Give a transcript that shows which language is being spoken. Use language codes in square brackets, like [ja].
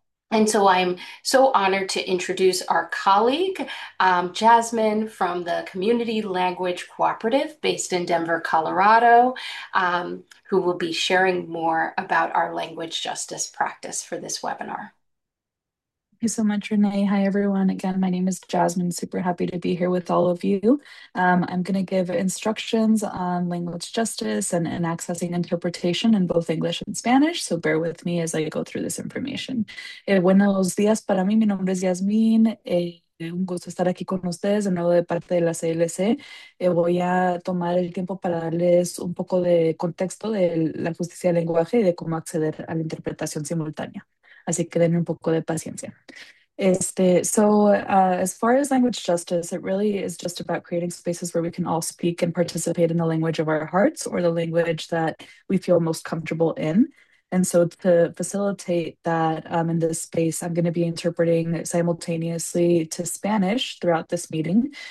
[en] And so I'm so honored to introduce our colleague, Jasmine from the Community Language Cooperative based in Denver, Colorado, who will be sharing more about our language justice practice for this webinar. Thank you so much, Renee. Hi, everyone. Again, my name is Jasmine. Super happy to be here with all of you. I'm going to give instructions on language justice and accessing interpretation in both English and Spanish. So bear with me as I go through this information. [es] Buenos días para mí. Mi nombre es Yasmin. Un gusto estar aquí con ustedes de nuevo de parte de la CLC. Voy a tomar el tiempo para darles un poco de contexto de la justicia del lenguaje y de cómo acceder a la interpretación simultánea. Así que denme un poco de paciencia. [en] As far as language justice, it really is just about creating spaces where we can all speak and participate in the language of our hearts or the language that we feel most comfortable in. And so to facilitate that in this space, I'm going to be interpreting simultaneously to Spanish throughout this meeting.